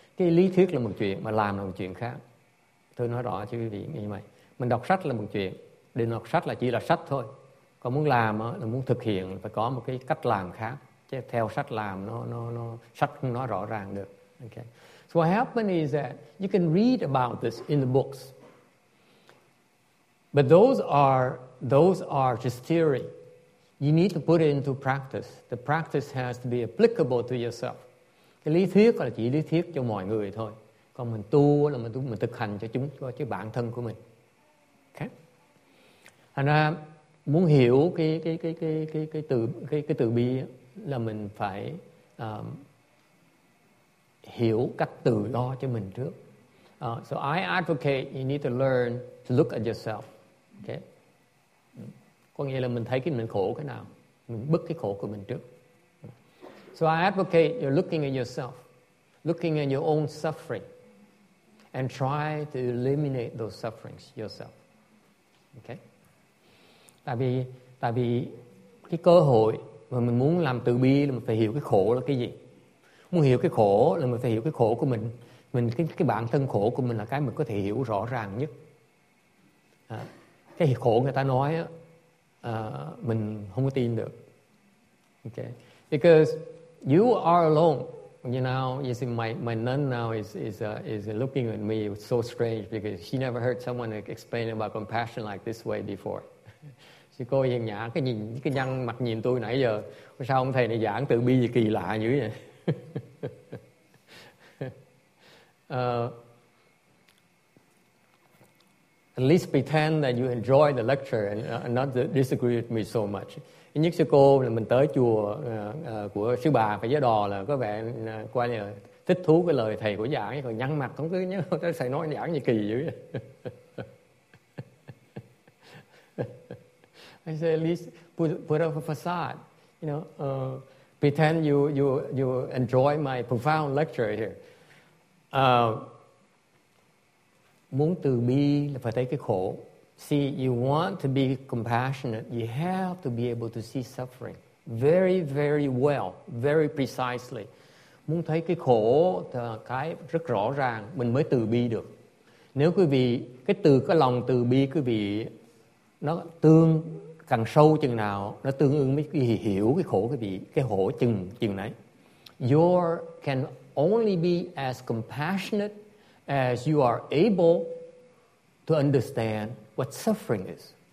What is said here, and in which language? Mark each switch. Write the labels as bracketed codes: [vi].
[vi] Cái lý thuyết là một chuyện, mà làm là một chuyện khác. Tôi nói rõ cho quý vị như vậy. Mình đọc sách là một chuyện. Đừng đọc sách là chỉ là sách thôi. Còn muốn làm là muốn thực hiện là phải có một cái cách làm khác. Chứ theo sách làm nó sách không nói rõ ràng được. [en] Okay. So what happened is that you can read about this in the books. But those are just theory. You need to put it into practice. The practice has to be applicable to yourself. [vi] Cái lý thuyết là chỉ lý thuyết cho mọi người thôi. Còn mình tu là mình thực hành cho chúng, cho bản thân của mình. Okay. Thành ra muốn hiểu cái từ bi là mình phải hiểu cách tự lo cho mình trước. [en] So I advocate you need to learn to look at yourself. Okay. [vi] Có nghĩa là mình thấy cái mình khổ cái nào, mình bứt cái khổ của mình trước. [en] So I advocate you're looking at yourself, looking at your own suffering, and try to eliminate those sufferings yourself. Okay? [vi] Tại vì cái cơ hội mà mình muốn làm từ bi là mình phải hiểu cái khổ là cái gì. Muốn hiểu cái khổ là mình phải hiểu cái khổ của mình. Mình cái bản thân khổ của mình là cái mình có thể hiểu rõ ràng nhất. Cái khổ người ta nói á, mình không có tin được. [en] Okay? Because you are alone, you know. You see, my nun now is looking at me. It's so strange because she never heard someone explain about compassion like this way before. [vi] She cô hiền nhã cái nhìn cái nhăn mặt nhìn tôi nãy giờ. Sao ông thầy này giảng từ bi gì kỳ lạ như vậy? [en] At least pretend that you enjoy the lecture and not disagree with me so much. [vi] Nhất sư cô là mình tới chùa của sư bà phải giới đò là có vẻ qua nhờ thích thú cái lời thầy của giảng, còn nhăn mặt không cứ nhớ thầy nói giảng gì kỳ dữ vậy. [en] I say at least put up a facade, you know, pretend you enjoy my profound lecture here. [vi] Muốn từ bi là phải thấy cái khổ. [en] See, you want to be compassionate, you have to be able to see suffering very, very well, very precisely. [vi] Muốn thấy cái khổ, cái rất rõ ràng, mình mới từ bi được. Nếu quý vị, cái từ, cái lòng từ bi, quý vị, nó tương, càng sâu chừng nào, nó tương ứng mới hiểu cái khổ quý vị, cái khổ chừng đấy. [en] You can only be as compassionate as you are able to understand what suffering is.